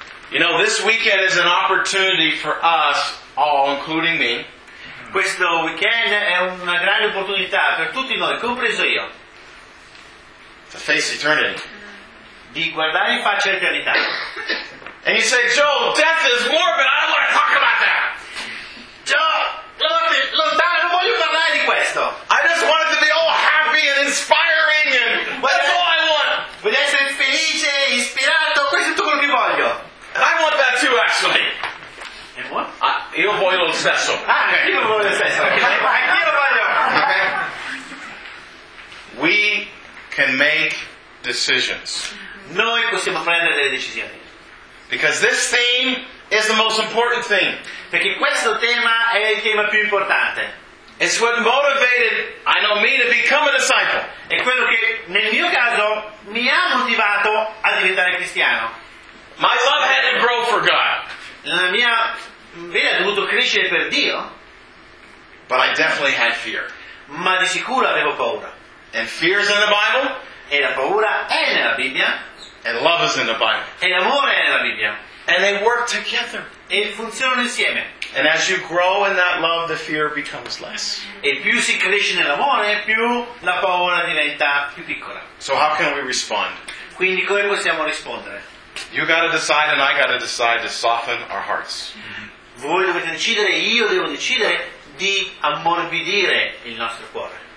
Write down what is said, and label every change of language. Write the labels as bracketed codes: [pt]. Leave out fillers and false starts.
[en] You know, this weekend is an opportunity for us all, including me. [it] Questo weekend è una grande opportunità per tutti noi, compreso io. [en] To face eternity. [it] Di guardare in faccia l'eternità. [en] And you say, Joe, death is morbid, I don't want to talk about that. [it] Joe, lontano, non voglio parlare di questo. [en] I just want it to be all happy and inspiring and that's all I want. [it] Voglio essere felice, ispirato, questo è tutto quello che voglio. [en] And I want that too, actually. And what? [it] Io voglio lo stesso. Ah, io voglio lo stesso. Io voglio. [en] We can make decisions. [it] Noi possiamo prendere delle decisioni. [en] Because this theme is the most important thing. [it] Perché questo tema è il tema più importante. [en] It's what motivated, I know me, to become a disciple. [it] È quello che, nel mio caso, mi ha motivato a diventare cristiano. [en] My love had to grow for God. [it] La mia vita ha dovuto crescere per Dio. [en] But I definitely had fear. [it] Ma di sicuro avevo paura. [en] And fear is in the Bible. [it] E la paura è nella Bibbia. [en] And love is in the Bible. [it] E l'amore è nella Bibbia. [en] And they work together. [it] E funzionano insieme. [en] And as you grow in that love, the fear becomes less. [it] E più si cresce nell'amore, più la paura diventa più piccola. [en] So how can we respond? [it] Quindi come possiamo rispondere? [en] You got to decide, and I got to decide to soften our hearts. [it] Voi dovete decidere, io devo decidere di ammorbidire il nostro cuore.